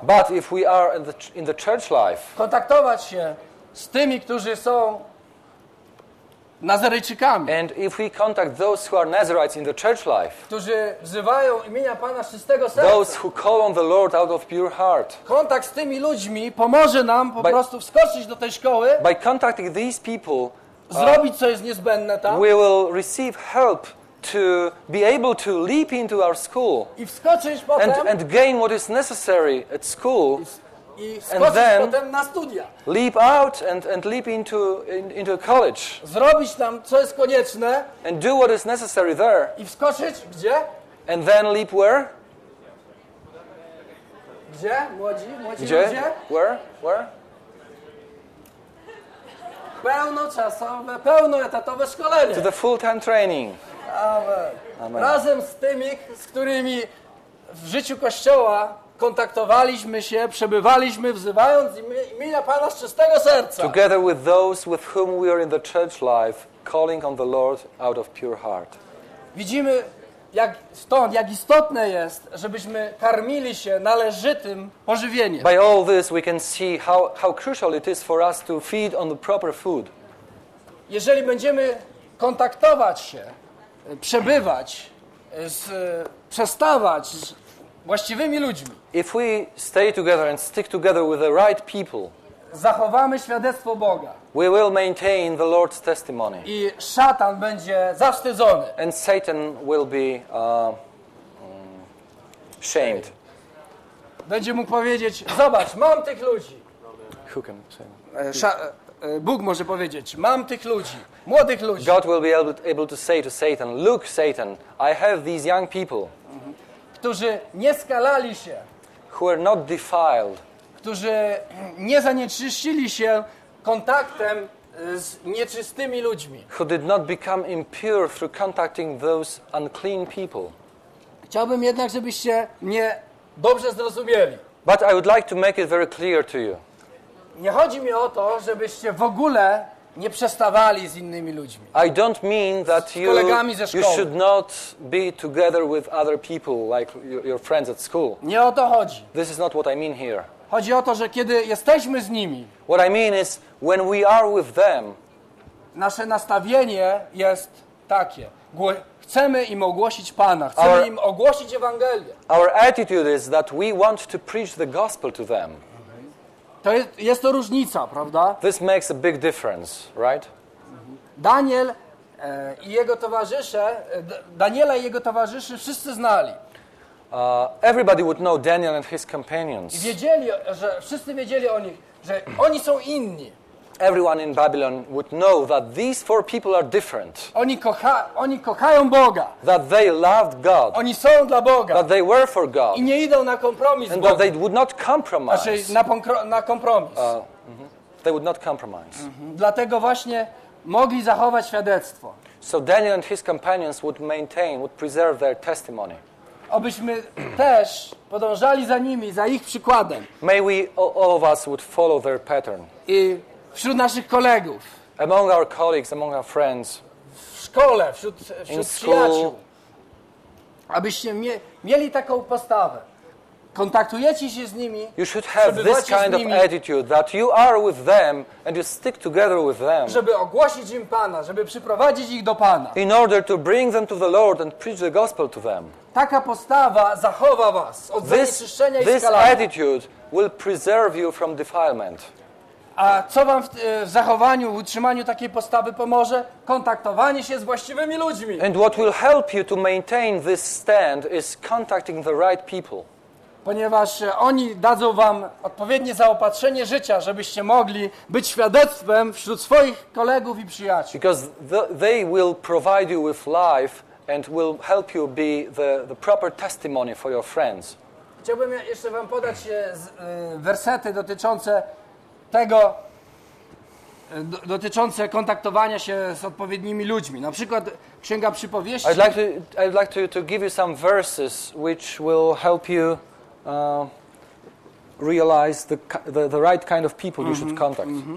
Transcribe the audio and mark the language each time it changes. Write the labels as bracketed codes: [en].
[en] but if we are in the church life, [pl] kontaktować się z tymi, którzy są Nazarejczykami, [en] and if we contact those who are Nazarites in the church life, [pl] którzy wzywają imienia Pana z czystego serca, [en] those who call on the Lord out of pure heart, [pl] kontakt z tymi ludźmi pomoże nam po prostu wskoczyć do tej szkoły. [en] By contacting these people, [pl] zrobić co jest niezbędne tam, [en] we will receive help to be able to leap into our school [pl] i wskoczyć potem, [en] and gain what is necessary at school, [pl] i wskoczyć [en] and then [pl] potem na studia, [en] leap out and leap into a college, [pl] zrobić tam co jest konieczne, [en] and do what is necessary there, [pl] i wskoczyć gdzie, [en] and then leap where, [pl] gdzie młodzi gdzie ludzie? [en] where [pl] pełnoczasowe, pełnoetatowe szkolenie, [en] to the full-time training. [pl] Amen. Razem z tymi, z którymi w życiu kościoła kontaktowaliśmy się, przebywaliśmy, wzywając imienia Pana z czystego serca. [en] Together with those with whom we are in the church life, calling on the Lord out of pure heart. [pl] Widzimy, jak stąd, jak istotne jest, żebyśmy karmili się należytym pożywieniem. [en] By all this we can see how crucial it is for us to feed on the proper food. [pl] Jeżeli będziemy kontaktować się, przebywać, przestawać z właściwymi ludźmi. [en] If we stay together and stick together with the right people. [pl] Zachowamy świadectwo Boga. [en] We will maintain the Lord's testimony. [pl] I szatan będzie zawstydzony. [en] And Satan will be shamed. [pl] Będzie mógł powiedzieć: "Zobacz, mam tych ludzi." [en] Who can say? [pl] Bóg może powiedzieć: "Mam tych ludzi, młodych ludzi." [en] God will be able to say to Satan: "Look, Satan, I have these young people." [pl] Którzy nie skalali się. [en] Who are not defiled. [pl] Którzy nie zanieczyścili się kontaktem z nieczystymi ludźmi. [en] Who did not become impure through contacting those unclean people. [pl] Chciałbym jednak, żebyście mnie dobrze zrozumieli. [en] But I would like to make it very clear to you. [pl] Nie chodzi mi o to, żebyście w ogóle nie przestawali z innymi ludźmi. [en] I don't mean that [pl] z kolegami ze szkoły. [en] You should not be together with other people like your friends at school. [pl] Nie o to chodzi. [en] This is not what I mean here. [pl] Chodzi o to, że kiedy jesteśmy z nimi. [en] What I mean is when we are with them. [pl] Nasze nastawienie jest takie. Chcemy im ogłosić Pana, chcemy im ogłosić Ewangelię. [en] Our attitude is that we want to preach the gospel to them. [pl] To jest to różnica, prawda? [en] This makes a big difference, right? [pl] Daniel i jego towarzysze, Daniela i jego towarzyszy wszyscy znali. [en] Everybody would know Daniel and his companions. [pl] Wiedzieli, że wszyscy wiedzieli o nich, że oni są inni. [en] Everyone in Babylon would know that these four people are different. [pl] Oni kochają Boga. [en] That they loved God. [pl] Oni są dla Boga. [en] That they were for God. [pl] I nie idą na kompromis. [en] And that they would not compromise. [pl] Znaczy, na kompromis. [en] They would not compromise. [pl] Dlatego właśnie mogli zachować świadectwo. [en] So Daniel and his companions would preserve their testimony. [pl] Abyśmy też podążali za nimi, za ich przykładem. [en] May we all of us would follow their pattern. [pl] I wśród naszych kolegów. [en] Among our colleagues, among our friends. [pl] W szkole, wśród przyjaciół. Abyście mieli taką postawę. Kontaktujecie się z nimi. [en] You should have this kind of attitude that you are with them and you stick together with them. [pl] Żeby ogłosić im Pana, żeby przyprowadzić ich do Pana. [en] In order to bring them to the Lord and preach the gospel to them. [pl] Taka postawa zachowa was od zanieczyszczenia i skalania. [en] This attitude will preserve you from defilement. [pl] A co wam w zachowaniu, w utrzymaniu takiej postawy pomoże? Kontaktowanie się z właściwymi ludźmi. [en] And what will help you to maintain this stand is contacting the right people. [pl] Ponieważ oni dadzą wam odpowiednie zaopatrzenie życia, żebyście mogli być świadectwem wśród swoich kolegów i przyjaciół. [en] Because they will provide you with life and will help you be the proper testimony for your friends. [pl] Chciałbym jeszcze wam podać wersety dotyczące tego, dotyczące kontaktowania się z odpowiednimi ludźmi. Na przykład Księga Przypowieści. [en] I'd like to give you some verses which will help you realize the right kind of people you should contact.